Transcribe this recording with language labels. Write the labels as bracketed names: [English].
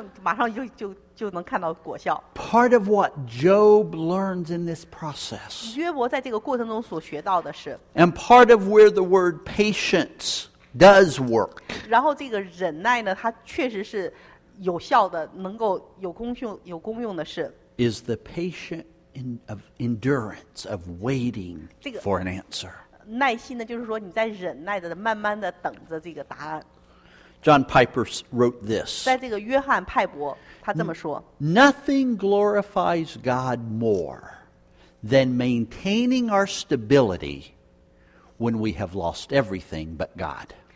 [Chinese] 我就想说马上立竿见影，马上就能看到果效。 [English] Part of what Job learns in this process. [Chinese] 约伯在这个过程中所学到的是。 [English] And part of where the word patience does work. [Chinese] 然后这个忍耐呢，它确实是有效的，能够有功用的是。 [English] Is the patient of endurance of waiting for an answer. [Chinese] 耐心的就是说你在忍耐的慢慢的等着这个答案。 [English] John Piper wrote this. [Chinese] 在这个约翰派伯他这么说。 [English] Nothing glorifies God more than maintaining our stability when we have lost everything but God.